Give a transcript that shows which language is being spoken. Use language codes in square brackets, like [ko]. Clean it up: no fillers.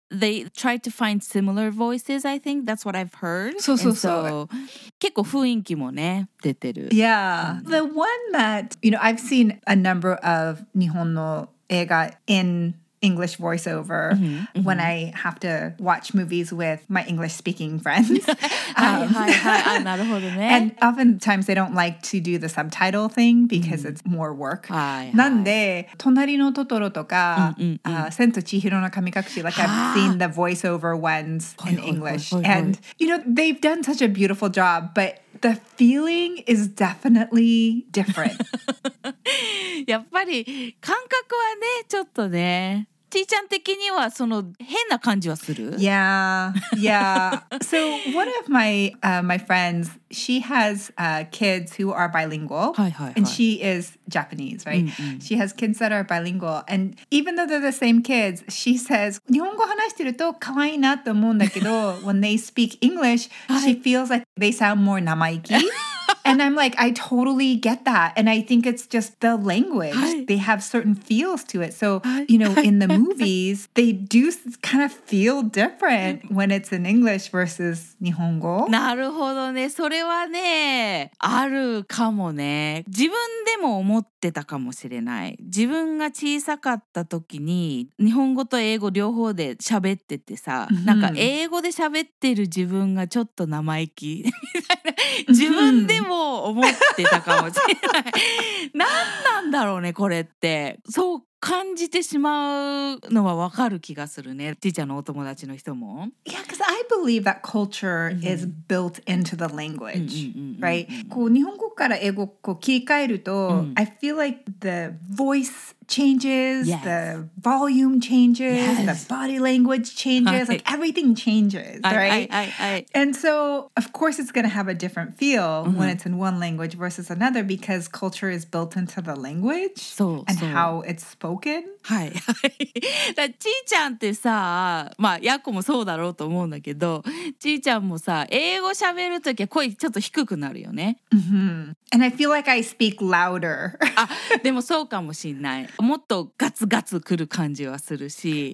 [en] They try to find similar voices, I think. That's what I've heard. So, [ja] 結構雰囲気もね、出てる。 [en] Yeah. The one that, you know, I've seen a number of [ja] 日本の映画 [en] in English voiceover mm-hmm. when I have to watch movies with my English speaking friends. And oftentimes they don't like to do the subtitle thing because mm-hmm. it's more work. [ja] なんで、隣のトトロとか、千と千尋の神隠し、 [en] like I've seen the voiceover ones in English. And, you know, they've done such a beautiful job, but the feeling is definitely different. [ja] やっぱり感覚はね、ちょっとね、ちーちゃん的にはその変な感じはする? [en] Yeah, yeah. So one of my, my friends, she has kids who are bilingual. [ja] はいはいはい。 [en] And she is Japanese, right? うんうん。She has kids that are bilingual. And even though they're the same kids, she says, [ja] 日本語話してると可愛いなと思うんだけど、 [en] when they speak English, she feels like they sound more [ja] 生意気。 [en] And I'm like, I totally get that. And I think it's just the language. They have certain feels to it. So, you know, in the movies, they do kind of feel different when it's in English versus 日本語. [ja] なるほどね。それはね、あるかもね。自分でも思ってたかもしれない。自分が小さかった時に、日本語と英語両方で喋っててさ、なんか英語で喋ってる自分がちょっと生意気みたいな。自分でも思ってたかもしれない。何なんだろうねこれって。そう感じてしまうのはわかる気がするね。ティーちゃんのお友達の人も。 [en] Yeah, because I believe that culture is built into the language, right? [ja] こう日本語から英語こう切り替えると、 [en] I feel like the voice changes, the volume changes, the body language changes, like everything changes, right? And so, of course, it's going to have a different feel when it's in one language versus another because culture is built into the language and how it's spoken. [ja] はい、だちーちゃんってさ、まあやっこもそうだろうと思うんだけど、ちーちゃんもさ英語喋るときは声ちょっと低くなるよね。 [en] Mm-hmm. And I feel like I speak louder. [ja] あ、でもそうかもしんない。もっとガツガツくる感じはするし。